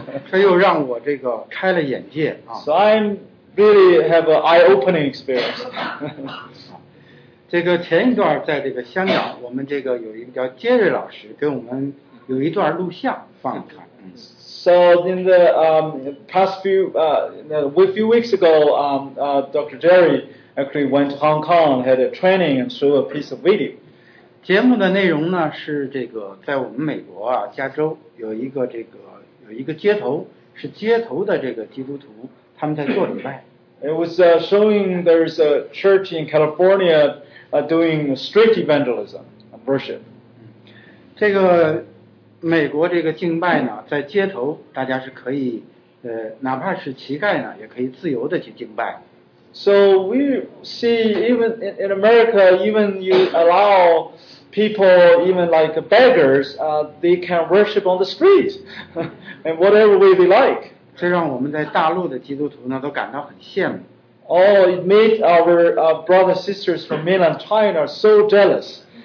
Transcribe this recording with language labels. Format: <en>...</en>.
<zh>这又让我这个开了眼界啊。</zh> <en>So I'm really have an eye-opening experience.</en> <zh>这个前一段在这个香港，我们这个有一个叫杰瑞老师给我们有一段录像放出来。</zh> <en>So in the past few few weeks ago, Dr. Jerry actually went to Hong Kong, had a training, and showed a piece of video.</en> <zh>节目的内容呢是这个在我们美国啊加州有一个这个有一个街头是街头的这个基督徒。</zh> <en>It was showing there's a church in California doing street evangelism worship.</en> <zh>这个美国这个敬拜呢，在街头大家是可以，哪怕是乞丐呢，也可以自由的去敬拜。</zh> <en>So we see even in America, even you allow people, even like beggars, they can worship on the street and whatever way they like.</en> <zh>这让我们在大陆的基督徒呢都感到很羡慕。</zh> <en>Oh, it made our brothers and sisters from mainland China so jealous.</en>